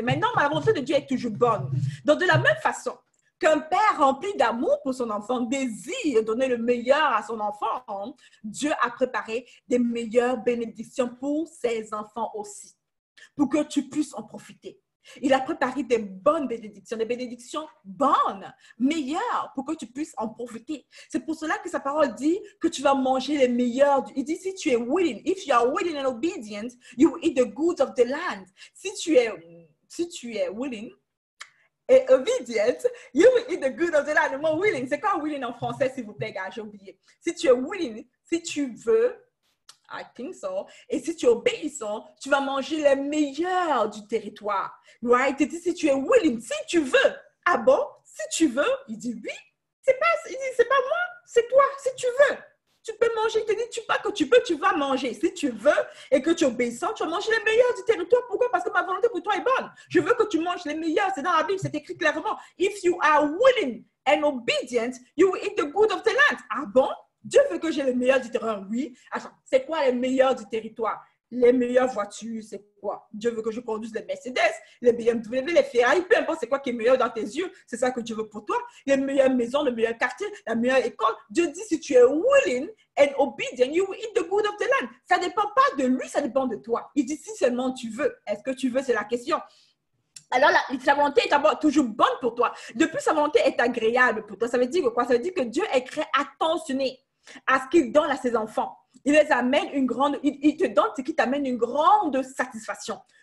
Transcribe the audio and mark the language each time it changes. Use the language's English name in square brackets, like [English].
[French] Maintenant, ma volonté de Dieu est toujours bonne. Donc, de la même façon qu'un père rempli d'amour pour son enfant désire donner le meilleur à son enfant, Dieu a préparé des meilleures bénédictions pour ses enfants aussi, pour que tu puisses en profiter. Il a préparé des bonnes bénédictions, des bénédictions bonnes, meilleures, pour que tu puisses en profiter. C'est pour cela que sa parole dit que tu vas manger les meilleurs. Il dit, si tu es [English] willing, if you are willing and obedient, you will eat the goods of the land. [French] Si tu es [English] willing [French] et [English] obedient, you will eat the goods of the land. [French] Moi, willing, c'est quoi willing en français, s'il vous plaît, gars, j'ai oublié. Si tu es willing, si tu veux, [English] I think so. [French] Et si tu es obéissant, tu vas manger les meilleurs du territoire. [English] Right? [French] Il te dit, si tu es willing, si tu veux. Ah bon? Si tu veux? Il dit, oui. Il dit, c'est pas moi, c'est toi. Si tu veux, tu peux manger. Il te dit, tu vas manger. Si tu veux et que tu es obéissant, tu vas manger les meilleurs du territoire. Pourquoi? Parce que ma volonté pour toi est bonne. Je veux que tu manges les meilleurs. C'est dans la Bible, c'est écrit clairement. [English] If you are willing and obedient, you will eat the good of the land. [French] Ah bon? Dieu veut que j'ai le meilleur du terrain, oui. Attends, c'est quoi les meilleurs du territoire? Les meilleures voitures, c'est quoi? Dieu veut que je conduise les Mercedes, les BMW, les Ferrari, peu importe c'est quoi qui est meilleur dans tes yeux, c'est ça que Dieu veut pour toi. Les meilleures maisons, le meilleur quartier, la meilleure école. Dieu dit, si tu es [English] willing and obedient, you will eat the good of the land. [French] Ça ne dépend pas de lui, ça dépend de toi. Il dit, si seulement tu veux, est-ce que tu veux, c'est la question. Alors, sa volonté est toujours bonne pour toi. De plus, sa volonté est agréable pour toi. Ça veut dire quoi? Ça veut dire que Dieu est très attentionné à ce qu'il donne à ses enfants. Il les amène une grande, il te donne ce qui t'amène une grande satisfaction.